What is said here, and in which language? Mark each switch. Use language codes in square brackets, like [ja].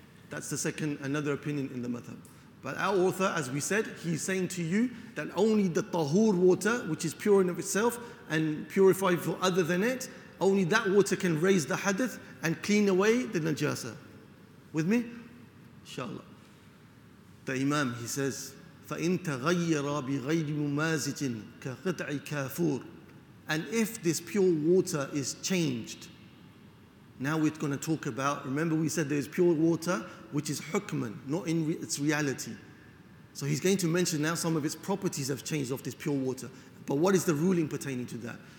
[en] That's the second, another opinion in the madhab. But our author, as we said, he's saying to you that only the tahur water, which is pure in of itself and purified for other than it, only that water can raise the hadith and clean away the najasa. With me? Inshallah. The Imam, he says, [ar] فَإِن تَغَيَّرَ بِغَيْرِ مُمَازِجٍ كَقِطْعِ كَافُورٍ. [en] And if this pure water is changed, now we're going to talk about, remember we said there's pure water which is hukman, not in its reality. So he's going to mention now some of its properties have changed of this pure water. But what is the ruling pertaining to that?